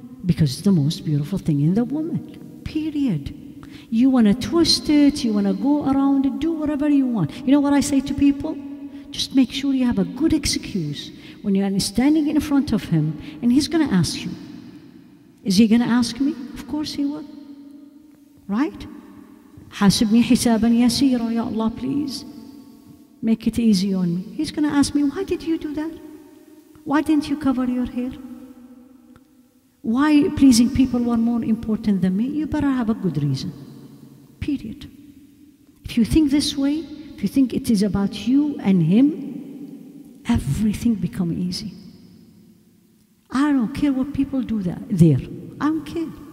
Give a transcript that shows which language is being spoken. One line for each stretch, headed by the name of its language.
English: Because it's the most beautiful thing in the woman, period. You want to twist it, you want to go around it, do whatever you want. You know what I say to people? Just make sure you have a good excuse when you're standing in front of him and he's going to ask you. Is he going to ask me? Of course he will. Right?
Arabic: حَاسِبْنِي حِسَابًا يَسِيرًا يَا اللَّهُ
English: please. Make it easy on me. He's going to ask me, why did you do that? Why didn't you cover your hair? Why pleasing people were more important than me? You better have a good reason. Period. If you think this way, if you think it is about you and him, everything become easy. I don't care what people do there. I don't care.